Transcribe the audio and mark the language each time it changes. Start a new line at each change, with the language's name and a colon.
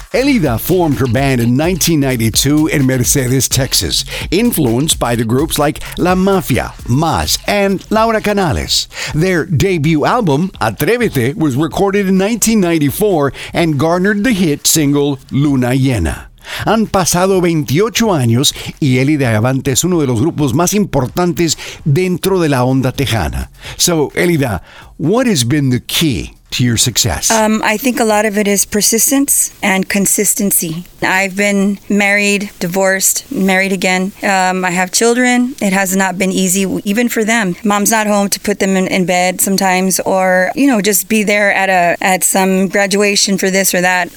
English: Elida formed her band in 1992 in Mercedes, Texas, influenced by the groups like La Mafia, Mas, and Laura Canales. Their debut album, Atrévete, was recorded in 1994 and garnered the hit single, Luna Llena.
Spanish: Han pasado 28 años y Elida y Avante es uno de los grupos más importantes dentro de la onda tejana.
English: So, Elida, what has been the key to your success? I think a lot of it is persistence and consistency. I've been married, divorced, married again. I have children. It has not been easy, even for them. Mom's not home to put them in bed sometimes, or, you know, just be there at some graduation for this or that.